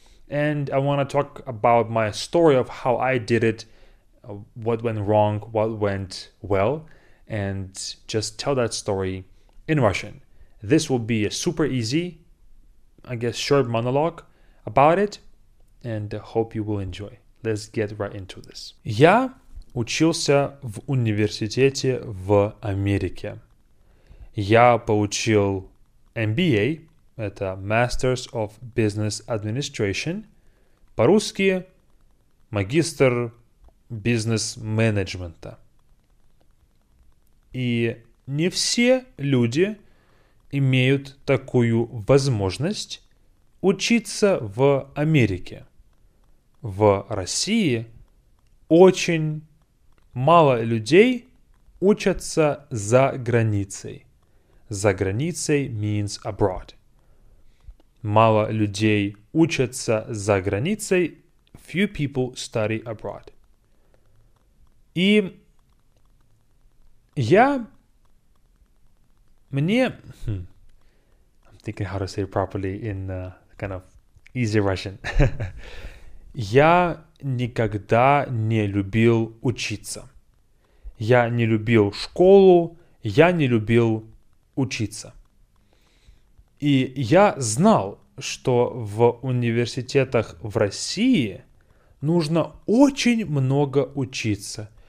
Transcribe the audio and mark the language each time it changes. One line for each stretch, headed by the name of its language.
English: And I want to talk about my story of how I did it, what went wrong, what went well, and just tell that story in Russian. This will be a super easy, I guess, short monologue about it, and I hope you will enjoy. Let's get right into this. Yeah.
Russian: Учился в университете в Америке. Я получил MBA, это
English: Masters of Business Administration,
Russian: по-русски магистр бизнес-менеджмента. И не все люди имеют такую возможность учиться в Америке. В России очень мало людей учатся за границей. За границей
English: means abroad.
Russian: Мало людей учатся за границей.
English: Few people study abroad.
Russian: И я... Мне...
English: I'm thinking how to say it properly in kind of easy Russian.
Russian: Я никогда не любил учиться. Я не любил школу, я не любил учиться. И я знал, что в университетах в России нужно очень много учиться.